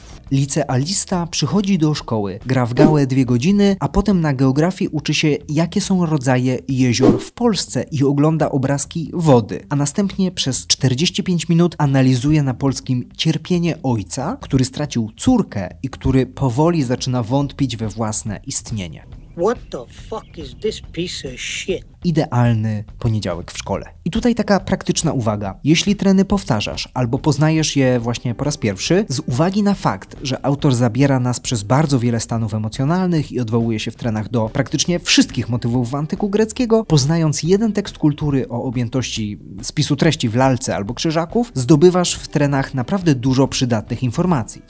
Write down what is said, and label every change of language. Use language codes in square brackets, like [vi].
[pl] Licealista przychodzi do szkoły, gra w gałę 2 godziny, a potem na geografii uczy się, jakie są rodzaje jezior w Polsce i ogląda obrazki wody. A następnie przez 45 minut analizuje na polskim cierpienie ojca, który stracił córkę i który powoli zaczyna wątpić we własne istnienie. [en] What the fuck is this piece of shit? [pl] Idealny poniedziałek w szkole. I tutaj taka praktyczna uwaga. Jeśli treny powtarzasz, albo poznajesz je właśnie po raz pierwszy, z uwagi na fakt, że autor zabiera nas przez bardzo wiele stanów emocjonalnych i odwołuje się w trenach do praktycznie wszystkich motywów w antyku greckiego, poznając jeden tekst kultury o objętości spisu treści w lalce albo krzyżaków, zdobywasz w trenach naprawdę dużo przydatnych informacji.